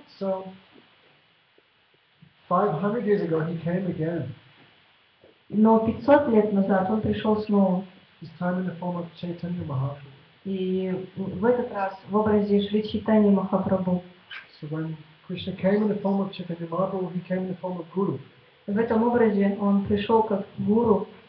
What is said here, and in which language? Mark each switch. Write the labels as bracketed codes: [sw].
[en] So, 500 years ago he came again. [ru] Но 500 лет назад он пришел снова. [en] This time in the form of Chaitanya Mahaprabhu. [ru] И в этот раз в образе Шри Чайтаньи Махапрабху. [en] So when Krishna came in the form of Chaitanya Mahaprabhu, he came in the form of Guru. [ru] В этом образе он пришел как Гуру.